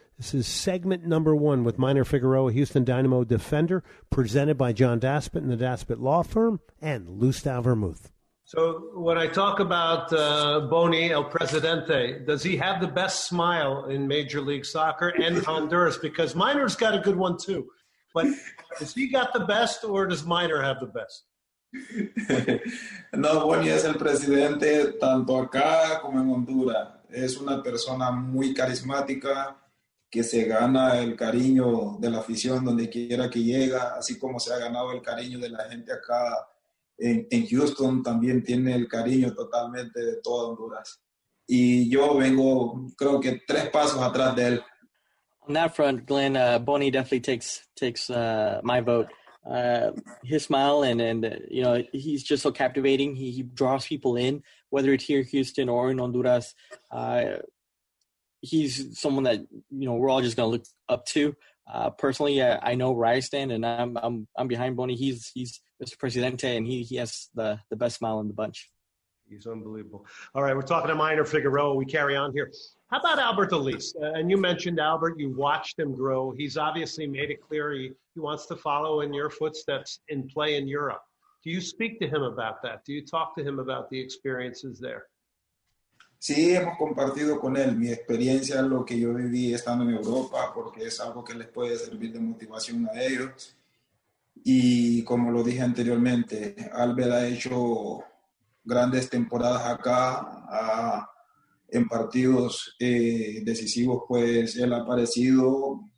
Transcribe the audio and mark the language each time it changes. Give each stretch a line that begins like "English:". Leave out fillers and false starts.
English: This is segment number one with Minor Figueroa, Houston Dynamo defender, presented by John Daspit and the Daspit Law Firm and Lustau Vermouth. So when I talk about Boney El Presidente, does he have the best smile in Major League Soccer and Honduras? Because Minor's got a good one too. But has he got the best or does Minor have the best?
Spanish: No, Boney es el presidente tanto acá como en Honduras. Es una persona muy carismática que se gana el cariño de la afición donde quiera que llega, así como se ha ganado el cariño de la gente acá en Houston, también tiene el cariño totalmente de toda Honduras. Y yo vengo, creo que tres pasos atrás de él.
English: On that front, Glenn, Boney definitely takes my vote. His smile and he's just so captivating. He draws people in, whether it's here in Houston or in Honduras. He's someone that, you know, we're all just going to look up to. Personally, I know where I stand, and I'm behind Boney. He's Mr. Presidente, and he has the best smile in the bunch. He's unbelievable. All right, we're talking to Minor Figueroa. We carry on here. How about Albert Elise? And you mentioned Albert. You watched him grow. He's obviously made it clear he wants to follow in your footsteps and play in Europe. Do you speak to him about that? Do you talk to him about the experiences there?
Spanish: Sí, hemos compartido con él mi experiencia, lo que yo viví estando en Europa, porque es algo que les puede servir de motivación a ellos. Y como lo dije anteriormente, Albert ha hecho grandes temporadas acá, en partidos decisivos, pues él ha aparecido.